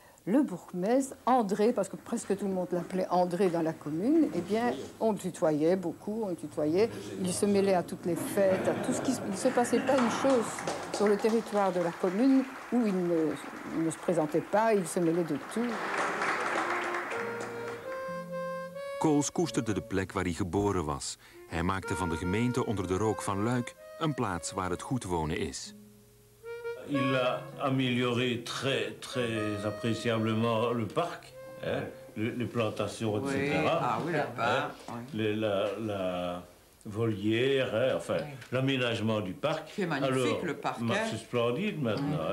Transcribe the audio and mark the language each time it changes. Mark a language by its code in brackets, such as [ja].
[fr] Le bourgmestre, André, parce que presque tout le monde l'appelait André dans la commune, eh bien, on le tutoyait beaucoup. Il se mêlait à toutes les fêtes, à tout ce qui ne se passait pas une chose sur le territoire de la commune où il ne se présentait pas, il se mêlait de tout. [nl] Kools koesterde de plek waar hij geboren was. Hij maakte van de gemeente onder de rook van Luik een plaats waar het goed wonen is. [fr] Il a amélioré très, très appréciablement le parc, hein, les plantations, oui. etc. Ah oui, la volière, hein, enfin, oui. L'aménagement du parc. C'est magnifique, alors, le parc. Alors, c'est splendide maintenant.